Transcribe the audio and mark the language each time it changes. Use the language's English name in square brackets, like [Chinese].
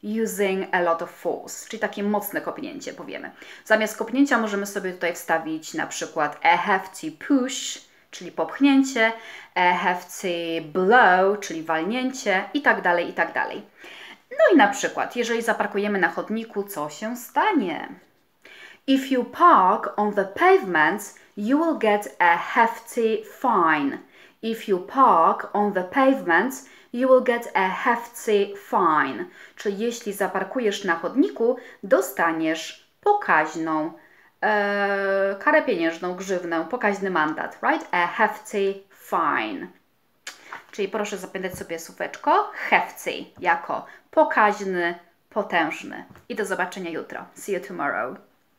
[English] Using a lot of force, [Polish] czyli takie mocne kopnięcie, powiemy. Zamiast kopnięcia możemy sobie tutaj wstawić na przykład [English] a hefty push, [Polish] czyli popchnięcie, [English] a hefty blow, [Polish] czyli walnięcie i tak dalej, i tak dalej. No i na przykład, jeżeli zaparkujemy na chodniku, co się stanie? [English] If you park on the pavement, you will get a hefty fine. If you park on the pavement, you will get a hefty fine. [Polish] Czyli jeśli zaparkujesz na chodniku, dostaniesz pokaźną karę pieniężną, grzywnę, pokaźny mandat, right? [English] A hefty fine. [Polish] Czyli proszę zapamiętać sobie słóweczko hefty jako pokaźny, potężny. I do zobaczenia jutro. [English] See you tomorrow.